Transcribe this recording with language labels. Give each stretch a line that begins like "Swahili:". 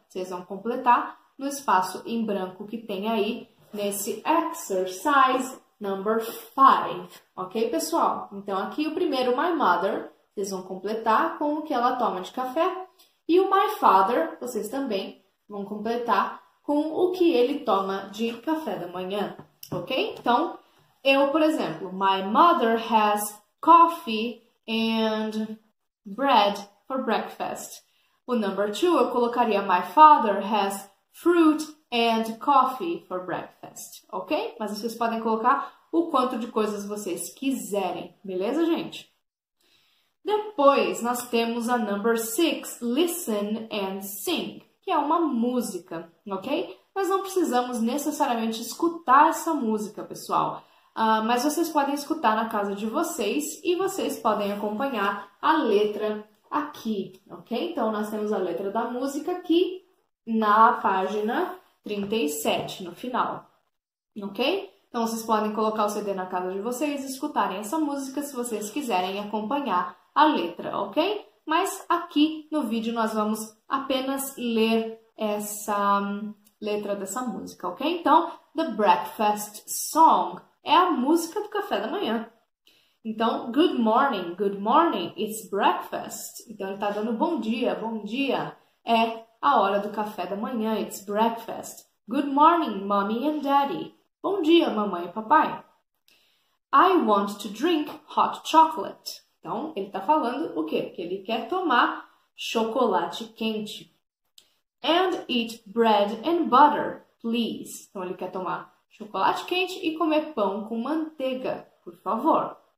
Portuguese: Vocês vão completar no espaço em branco que tem aí nesse exercise number 5, ok, pessoal? Então, aqui o primeiro, my mother, vocês vão completar com o que ela toma de café. E o my father, vocês também vão completar com o que ele toma de café da manhã, ok? Então, eu, por exemplo,
English: my mother has coffee and bread for breakfast. O number two,
Portuguese: eu colocaria
English: my father has fruit and coffee for breakfast, ok?
Portuguese: Mas vocês podem colocar o quanto de coisas vocês quiserem, beleza, gente? Depois, nós temos a number 6,
English: listen and sing,
Portuguese: que é uma música, ok? Nós não precisamos necessariamente escutar essa música, pessoal, mas vocês podem escutar na casa de vocês e vocês podem acompanhar a letra aqui, ok? Então, nós temos a letra da música aqui na página 37, no final, ok? Então, vocês podem colocar o CD na casa de vocês e escutarem essa música se vocês quiserem acompanhar a letra, ok? Mas aqui no vídeo nós vamos apenas ler essa letra dessa música, ok? Então, The Breakfast Song é a música do café da manhã.
English: Então, good morning, it's breakfast.
Portuguese: Então, ele tá dando bom dia, é a hora do café da manhã,
English: it's breakfast. Good morning, mommy and daddy.
Portuguese: Bom dia, mamãe e papai.
English: I want to drink hot chocolate.
Portuguese: Então, ele está falando o quê? Que ele quer tomar chocolate quente.
English: And eat bread and butter, please.
Portuguese: Então, ele quer tomar chocolate quente e comer pão com manteiga, por favor.